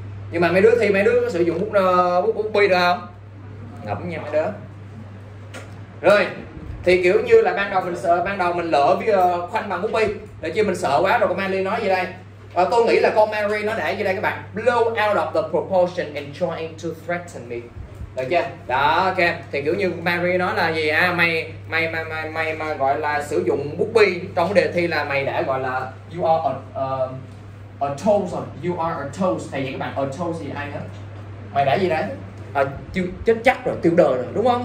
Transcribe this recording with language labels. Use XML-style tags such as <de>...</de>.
<vi>Nhưng mà mấy đứa thi mấy đứa có sử dụng bút bút bút bi được không? Ngẫm nha mấy đứa. Rồi, thì kiểu như là ban đầu mình sợ, ban đầu mình lỡ với khoanh bằng bút bi. Để chứ mình sợ quá rồi con Mary nói gì đây? Tôi nghĩ là con Mary nó để gì đây các bạn?</vi> <en>Blow out of the proportion and trying to threaten me.</en> <vi>Được chưa? Đó, ok. Thì kiểu như Mary nói là gì à, mày mà gọi là sử dụng bút bi trong đề thi là mày đã gọi là</vi> <en>you are a toast</en> <vi>on, you are a toast. Thầy vậy các bạn, a toast gì ai hết? Mày đã gì đấy? À, chết chắc rồi, tiêu đời rồi, đúng không?</vi>